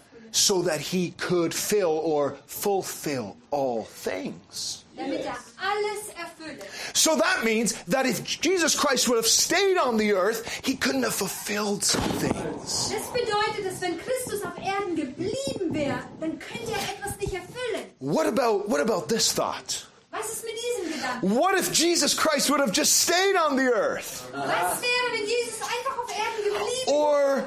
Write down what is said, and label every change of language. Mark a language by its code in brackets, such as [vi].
[en] So that he could fill or fulfill all things. Yes. So that means that if Jesus Christ would have stayed on the earth, he couldn't have fulfilled some things. [de] Das bedeutet, dass wenn Christus auf Erden geblieben wäre, dann könnte etwas nicht erfüllen. [en] What about this thought? [de] Was ist mit diesem Gedanken? [en] What if Jesus Christ would have just stayed on the earth? [de] Was wäre, wenn Jesus einfach auf Erden geblieben wäre?